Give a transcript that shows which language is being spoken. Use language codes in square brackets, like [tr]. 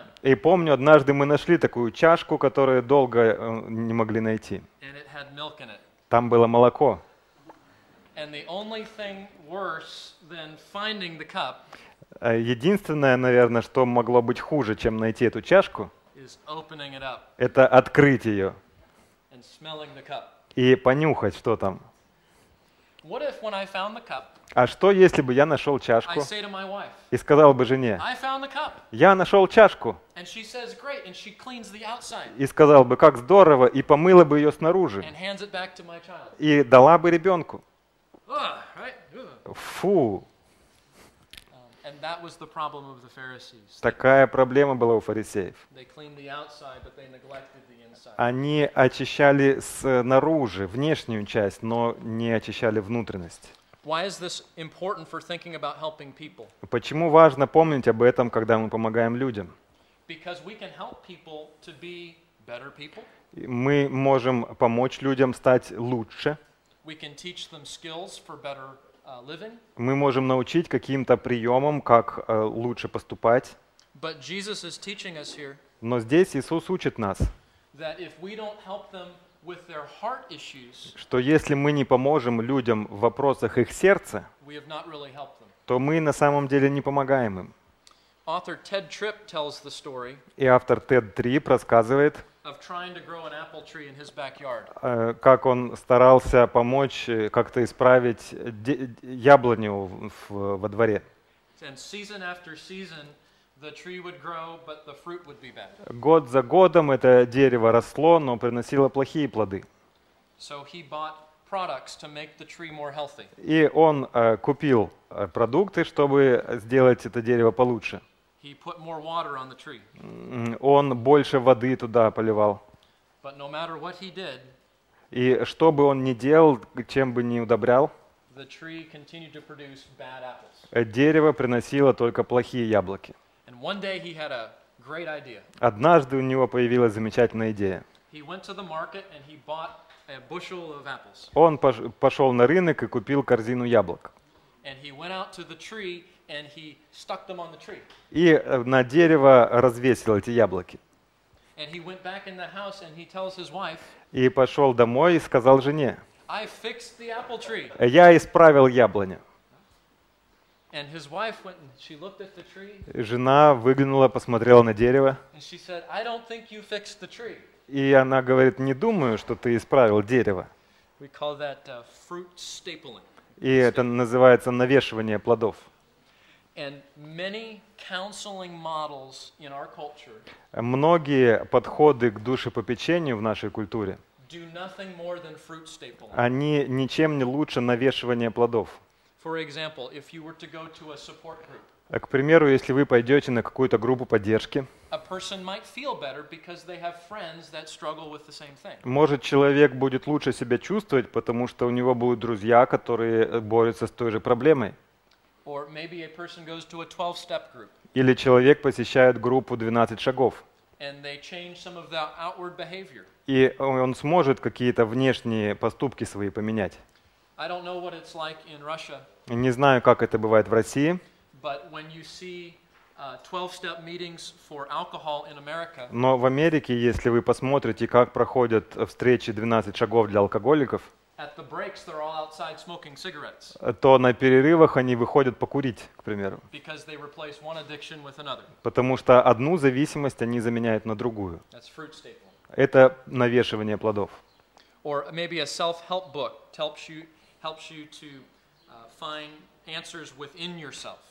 [ru] И помню, однажды мы нашли такую чашку, которую долго не могли найти. [en] And it had milk in it. [ru] Там было молоко. [en] And the only thing worse than finding the cup, [ru] единственное, наверное, что могло быть хуже, чем найти эту чашку, [en] is opening it up, [ru] это открыть ее [en] and smelling the cup. [ru] И понюхать, что там. [en] What if when I found the cup, [ru] а что, если бы я нашел чашку [en] wife, [ru] и сказал бы жене, [en] I found the cup. [ru] Я нашел чашку, [en] and she says, great, and she cleans the outside. [ru] И сказал бы, как здорово, и помыла бы ее снаружи, [en] and hands it back to my child. [ru] И дала бы ребенку. Фу! [en] And that was the problem of the Pharisees. [ru] Такая проблема была у фарисеев. [en] They cleaned the outside, but they neglected the inside. [ru] Они очищали снаружи, внешнюю часть, но не очищали внутренность. [en] Why is this important for thinking about helping people? [ru] Почему важно помнить об этом, когда мы помогаем людям? [en] Because we can help people to be better people. [ru] Мы можем помочь людям стать лучше. [en] We can teach them skills for better living. [ru] Мы можем научить каким-то приемам, как лучше поступать. [en] But Jesus is teaching us here. [ru] Но здесь Иисус учит нас, [en] that if we don't help them with their heart issues, [ru] что если мы не поможем людям в вопросах их сердца, [en] we have not really helped them. [ru] То мы на самом деле не помогаем им. [en] Author Ted Tripp tells the story, [ru] и автор Тед Трипп рассказывает, [en] of trying to grow an apple tree in his backyard. [ru] Как он старался помочь как-то исправить яблоню во дворе. [en] And season after season, the tree would grow, but the fruit would be bad. [ru] Год за годом это дерево росло, но приносило плохие плоды. [en] So he bought products to make the tree more healthy. [ru] И он купил продукты, чтобы сделать это дерево получше. [en] He put more water on the tree. [ru] Он больше воды туда поливал. [en] But no matter what he did, [ru] и что бы он ни делал, чем бы ни удобрял, [en] the tree continued to produce bad apples. [ru] Дерево приносило только плохие яблоки. [en] And one day he had a great idea. [ru] Однажды у него появилась замечательная идея. [en] He went to the market and he bought a bushel of apples. [ru] Он пошел на рынок и купил корзину яблок. [en] And he went out to the tree and he stuck them on the tree. [ru] И на дерево развесил эти яблоки. [en] And he went back in the house and he tells his wife. [ru] И пошёл домой и сказал жене. [en] I fixed the apple tree. [ru] Я исправил яблоню. [en] And his wife went and she looked at the tree. [ru] Жена выглянула, посмотрела на дерево. [en] And she said, I don't think you fixed the tree. [ru] И она говорит: "Не думаю, что ты исправил дерево". [en] We call that fruit stapling. [ru] И это называется навешивание плодов. [en] And many counseling models in our culture. [ru] Многие подходы к душепопечению в нашей культуре. [en] Do nothing more than fruit stapling. [ru] Они ничем не лучше навешивания плодов. [en] For example, if you were to go to a support group. [ru] К примеру, если вы пойдете на какую-то группу поддержки. [en] A person might feel better because they have friends that struggle with the same thing. [ru] Может, человек будет лучше себя чувствовать, потому что у него будут друзья, которые борются с той же проблемой. [en] Or maybe a person goes to a 12-step group. [ru] Или человек посещает группу 12 шагов. [en] And they change some of their outward behavior. [ru] И он сможет какие-то внешние поступки свои поменять. [en] I don't know what it's like in Russia. [ru] Не знаю, как это бывает в России. [en] But when you see 12-step meetings for alcohol in America. [ru] Но в Америке, если вы посмотрите, как проходят встречи 12 шагов для алкоголиков. [en] At the breaks, they're all outside smoking cigarettes. [ru] То на перерывах они выходят покурить, к примеру. [en] Because they replace one addiction with another. [ru] Потому что одну зависимость они заменяют на другую. [en] That's fruit stapling. [ru] Это навешивание плодов. [en] Or maybe a self-help book helps you to find answers within yourself.